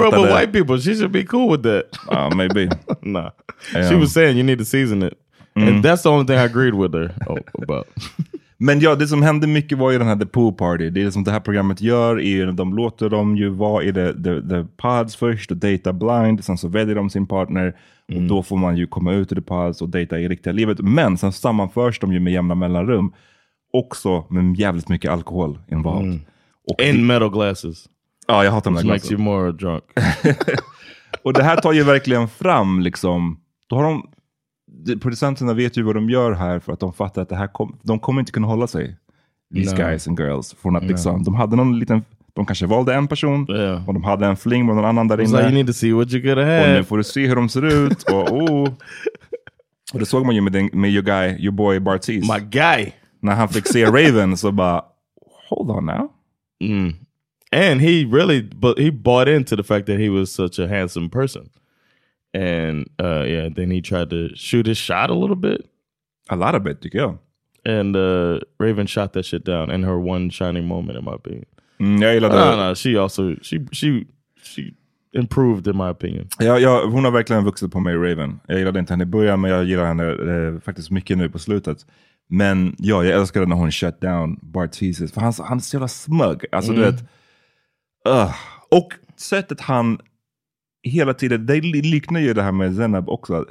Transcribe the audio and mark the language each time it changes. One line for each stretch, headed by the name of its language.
English: But she grew up with white people. She should be cool with that. Maybe. Nah. She was saying you need to season it. Mm. And that's the only thing I agreed with her about.
Swedish: Men ja, det som hände mycket var ju den här The Pool Party. Det är det som det här programmet gör. De låter dem ju vara i the pods först och dejta blind. Sen så väljer de sin partner. Mm. Och då får man ju komma ut i the pods och dejta i riktiga livet. Men sen sammanförs de ju med jämna mellanrum. Också med jävligt mycket alkohol involved. Mm.
English: Och in metal glasses.
Swedish: Ja, jag hatar de där glasen.
English: Makes you more drunk.
Swedish: Och det här tar ju verkligen fram liksom. Då har de... Producenterna vet ju vad de gör här, för att de fattar att det här de kommer inte kunna hålla sig,
English: these guys and girls,
Swedish: från att liksom, de hade någon liten, de kanske valde en person, och de hade en fling med någon annan där inne,
English: like, you need to see what you gotta have.
Swedish: Och nu får du se hur de ser ut. och det såg man ju med
English: your guy, your boy
Swedish: Bartiz,
English: my guy,
Swedish: när han fick se Raven. Så bara,
English: hold on now. Mm. And he really, but he bought into the fact that he was such a handsome person. And then he tried to shoot his shot a little bit. A lot of it, you go. And Raven shot that shit down in her one shining moment, in my opinion. Yeah, you love that. No, she also, she improved, in my opinion.
Swedish: Ja, hon har verkligen vuxit på mig, Raven. Jag gillade inte henne i början, men jag gillar henne faktiskt mycket nu på slutet. Men ja, jag älskade när hon shut down Bartiz. För han är så jävla smug. Alltså, du vet. Och sättet han... Hela tiden, det liknar ju det här med Zainab också.